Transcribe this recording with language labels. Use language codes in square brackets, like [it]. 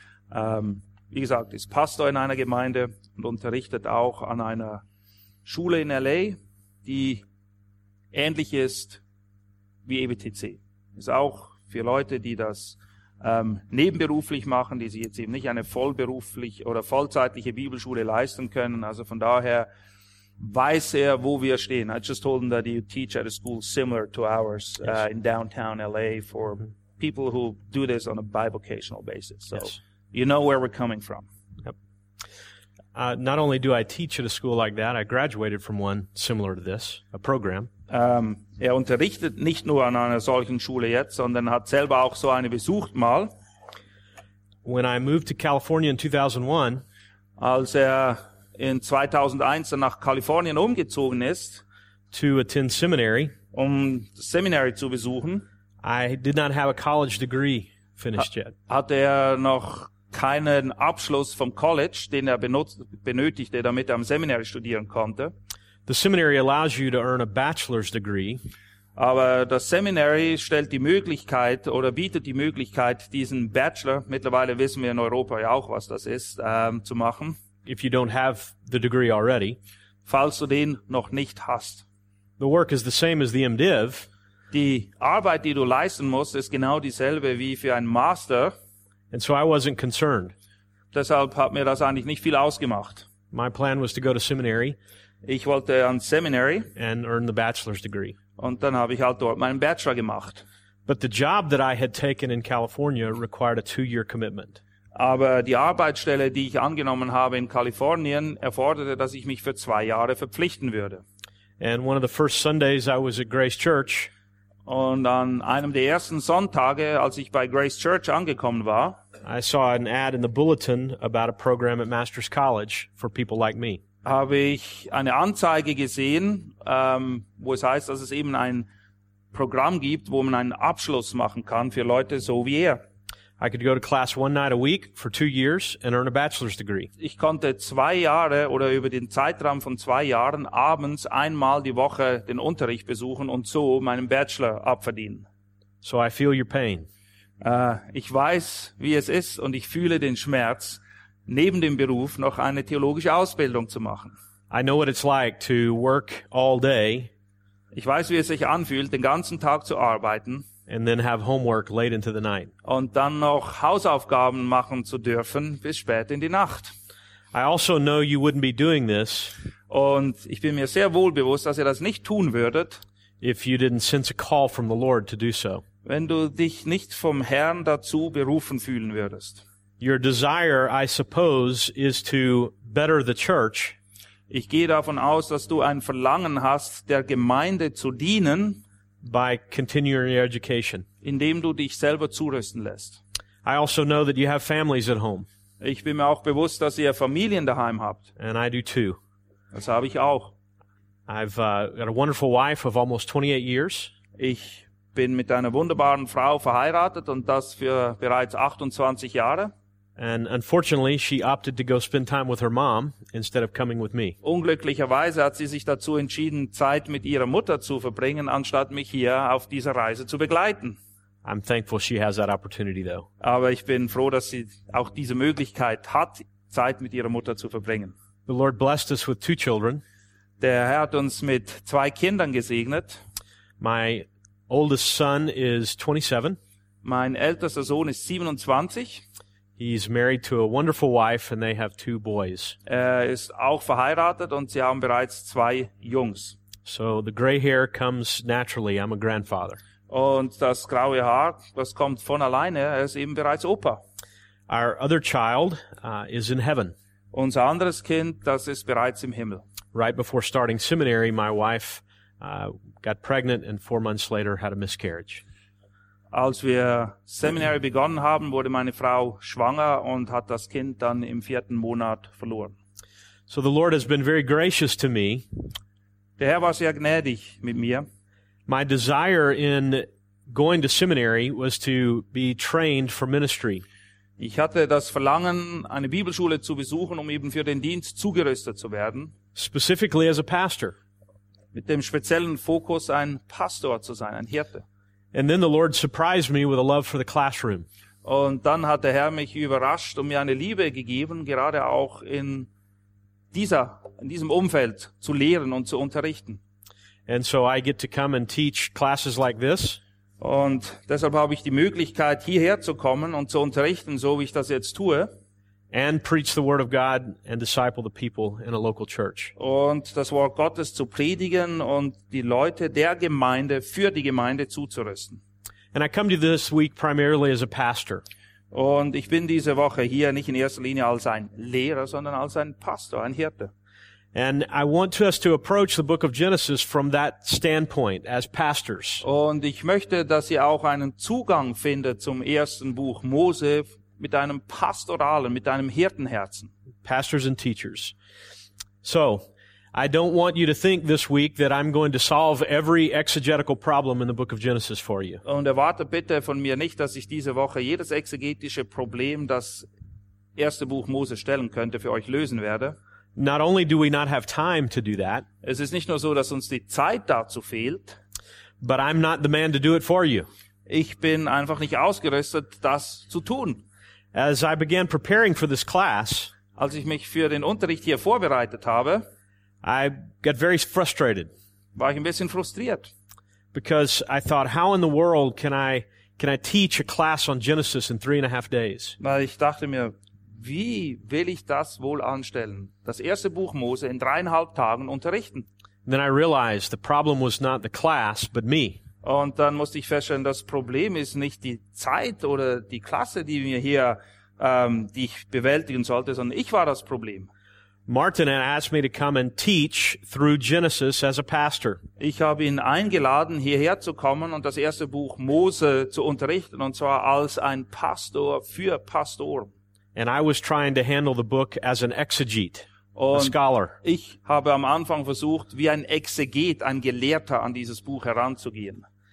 [de] Wie gesagt, ist Pastor in einer Gemeinde und unterrichtet auch an einer Schule in L.A., die ähnlich ist wie EBTC. Ist auch für Leute, die das nebenberuflich machen, die sich jetzt eben nicht eine vollberuflich oder vollzeitliche Bibelschule leisten können. Also von daher weiß er, wo wir stehen. [en] I just told him that you teach at a school similar to ours in downtown L.A. for people who do this on a bivocational basis. So yes. You know where we're coming from. Yep. Not only do I teach at a school like that, I graduated from one similar to this, a program. [de] Er unterrichtet nicht nur an einer solchen Schule jetzt, sondern hat selber auch so eine besucht mal. [en] When I moved to California in 2001, [de] als er in 2001 nach Kalifornien umgezogen ist, [en] to attend seminary, [de] um das Seminary zu besuchen, [en] I did not have a college degree finished yet. [de] Hatte er noch keinen Abschluss vom College, den er benötigte, damit er am Seminary studieren konnte. [en] The seminary allows you to earn a bachelor's degree. [de] Aber das Seminary stellt die Möglichkeit oder bietet die Möglichkeit, diesen Bachelor, mittlerweile wissen wir in Europa ja auch, was das ist, zu machen. [en] If you don't have the degree already, [de] falls du den noch nicht hast. [en] The work is the same as the MDiv. [de] Die Arbeit, die du leisten musst, ist genau dieselbe wie für einen Master. [en] And so I wasn't concerned. [de] Deshalb hat mir das eigentlich nicht viel ausgemacht. [en] My plan was to go to seminary. [de] Ich wollte ans Seminary. [en] And earn the bachelor's degree. [de] Und dann habe ich halt dort meinen Bachelor gemacht. [en] But the job that I had taken in California required a 2-year commitment. [de] Aber die Arbeitsstelle, die ich angenommen habe in Kalifornien, erforderte, dass ich mich für 2 Jahre verpflichten würde. [en] And one of the first Sundays I was at Grace Church. [de] Und an einem der ersten Sonntage, als ich bei Grace Church angekommen war, [en] I saw an ad in the bulletin about a program at Master's College for people like me. [de] Habe ich eine Anzeige gesehen, wo es heißt, dass es eben ein Programm gibt, wo man einen Abschluss machen kann für Leute so wie er. [en] I could go to class one night a week for 2 years and earn a bachelor's degree. [de] Ich konnte 2 Jahre oder über den Zeitraum von 2 Jahren abends einmal die Woche den Unterricht besuchen und so meinen Bachelor abverdienen. [en] So I feel your pain. [de] Ich weiß, wie es ist und ich fühle den Schmerz, neben dem Beruf noch eine theologische Ausbildung zu machen. [en] I know what it's like to work all day. [de] Ich weiß, wie es sich anfühlt, den ganzen Tag zu arbeiten. [en] And then have homework late into the night. [de] Und dann noch Hausaufgaben machen zu dürfen bis spät in die Nacht. [en] I also know you wouldn't be doing this. [de] Und ich bin mir sehr wohl bewusst, dass ihr das nicht tun würdet. [en] If you didn't sense a call from the Lord to do so. [de] wenn du dich nicht vom Herrn dazu berufen fühlen würdest. [en] Your desire, I suppose, is to better the church. [de] Ich gehe davon aus, dass du ein Verlangen hast, der Gemeinde zu dienen. [en] By continuing your education. [de] Indem du dich selber zurüsten lässt. [en] I also know that you have families at home. [de] Ich bin mir auch bewusst, dass ihr Familien daheim habt. [en] And I do too. [de] Das habe ich auch. [en] I've got a wonderful wife of almost 28 years. [de] Ich bin mit einer wunderbaren Frau verheiratet und das für bereits 28 Jahre. [en] And unfortunately, she opted to go spend time with her mom instead of coming with me. [de] Unglücklicherweise hat sie sich dazu entschieden, Zeit mit ihrer Mutter zu verbringen, anstatt mich hier auf dieser Reise zu begleiten. [en] I'm thankful she has that opportunity, though. [de] Aber ich bin froh, dass sie auch diese Möglichkeit hat, Zeit mit ihrer Mutter zu verbringen. [en] The Lord blessed us with two children. [de] Der Herr hat uns mit zwei Kindern gesegnet. [en] My oldest son is 27. [de] Mein ältester Sohn ist 27. [en] He's married to a wonderful wife and they have two boys. [de] Er ist auch verheiratet und sie haben bereits zwei Jungs. [en] So the gray hair comes naturally. I'm a grandfather. [de] Und das graue Haar, das kommt von alleine. Er ist eben bereits Opa. [en] Our other child is in heaven. [de] Unser anderes Kind, das ist bereits im Himmel. [en] Right before starting seminary, my wife got pregnant and 4 months later had a miscarriage. [de] Als wir Seminary begonnen haben, wurde meine Frau schwanger und hat das Kind dann im 4. Monat verloren. [en] So the Lord has been very gracious to me. [de] Der Herr war sehr gnädig mit mir. [en] My desire in going to seminary was to be trained for ministry. [de] Ich hatte das Verlangen, eine Bibelschule zu besuchen, um eben für den Dienst zugerüstet zu werden. [en] Specifically as a pastor. [de] Mit dem speziellen Fokus, ein Pastor zu sein, ein Hirte. [en] And then the Lord surprised me with a love for the classroom. [de] Und dann hat der Herr mich überrascht und mir eine Liebe gegeben, gerade auch in diesem Umfeld zu lehren und zu unterrichten. [en] And so I get to come and teach classes like this. [de] Und deshalb habe ich die Möglichkeit, hierher zu kommen und zu unterrichten, so wie ich das jetzt tue. [en] And preach the word of God and disciple the people in a local church. [de] Und das Wort Gottes zu predigen und die Leute der Gemeinde für die Gemeinde zuzurüsten. [en] And I come to this week primarily as a pastor. [de] Und ich bin diese Woche hier nicht in erster Linie als ein Lehrer, sondern als ein Pastor, ein Hirte. [en] And I want us to approach the book of Genesis from that standpoint as pastors. [de] Und ich möchte, dass ihr auch einen Zugang findet zum ersten Buch Mose. Mit einem pastoralen, mit einem Hirtenherzen. [en] Pastors and teachers. So, I don't want you to think this week that I'm going to solve every exegetical problem in the book of Genesis for you. [de] Und erwarte bitte von mir nicht, dass ich diese Woche jedes exegetische Problem, das erste Buch Mose stellen könnte, für euch lösen werde. [en] Not only do we not have time to do that. [de] Es ist nicht nur so, dass uns die Zeit dazu fehlt. [en] But I'm not the man to do it for you. [de] Ich bin einfach nicht ausgerüstet, das zu tun. [en] As I began preparing for this class, [de] als ich mich für den Unterricht hier vorbereitet habe, [en] I got very frustrated. [de] War ich ein bisschen frustriert. [en] Because I thought, how in the world can I teach a class on Genesis in 3.5 days? [de] Weil ich dachte mir, wie will ich das wohl anstellen? Das erste Buch Mose in 3.5 Tagen unterrichten. [en] Then I realized the problem was not the class, but me. [de] Und dann musste ich feststellen, das Problem ist nicht die Zeit oder die Klasse, die wir hier, die ich bewältigen sollte, sondern ich war das Problem. [en] Martin had asked me to come and teach through Genesis as a pastor. [de] Ich habe ihn eingeladen, hierher zu kommen und das erste Buch Mose zu unterrichten, und zwar als ein Pastor für Pastoren. [en] And I was trying to handle the book as an exegete, a scholar. [de] Ich habe am Anfang versucht, wie ein Exeget, ein Gelehrter, an dieses Buch heranzugehen.